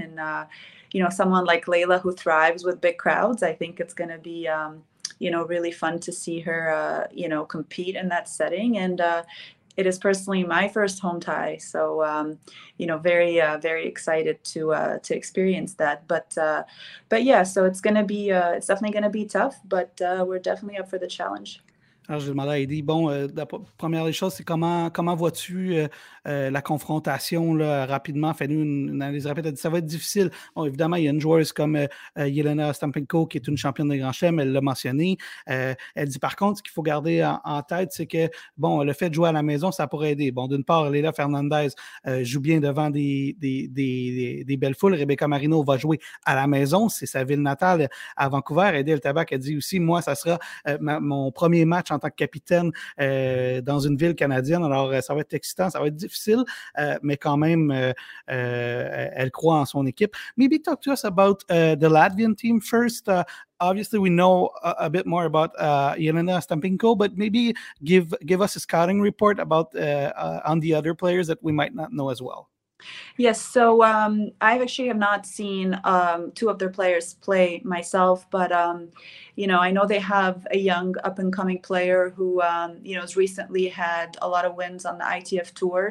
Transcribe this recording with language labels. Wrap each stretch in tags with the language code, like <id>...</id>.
<en>And, you know, someone like Layla, who thrives with big crowds, I think it's going to be, you know, really fun to see her, you know, compete in that setting. And it is personally my first home tie. So, you know, very, very excited to experience that. But yeah, so it's going to be, it's definitely going to be tough, but we're definitely up for the challenge.</en> <fr>Alors, je demandais à Heidi, bon, la première des choses, c'est comment vois-tu la confrontation là, rapidement? Fais-nous une analyse rapide. Elle dit, ça va être difficile. Bon, évidemment, il y a une joueuse comme Yelena Ostapenko qui est une championne des Grands Chelems, elle l'a mentionné. Elle dit, par contre, ce qu'il faut garder en tête, c'est que, bon, le fait de jouer à la maison, ça pourrait aider. Bon, d'une part, Leila Fernandez joue bien devant des belles foules. Rebecca Marino va jouer à la maison, c'est sa ville natale à Vancouver. Heidi Altapak, elle dit aussi, moi, ça sera mon premier match en tant que capitaine dans une ville canadienne. Alors, ça va être excitant, ça va être difficile, mais quand même, elle croit en son équipe.</fr> <en>Maybe talk to us about the Latvian team first. Obviously, we know a bit more about Yelena Ostapenko, but maybe give us a scouting report about on the other players that we might not know as well. Yes, so I actually have not seen two of their players play myself, but you know, I know they have a young up-and-coming player who you know, has recently had a lot of wins on the ITF tour.</en>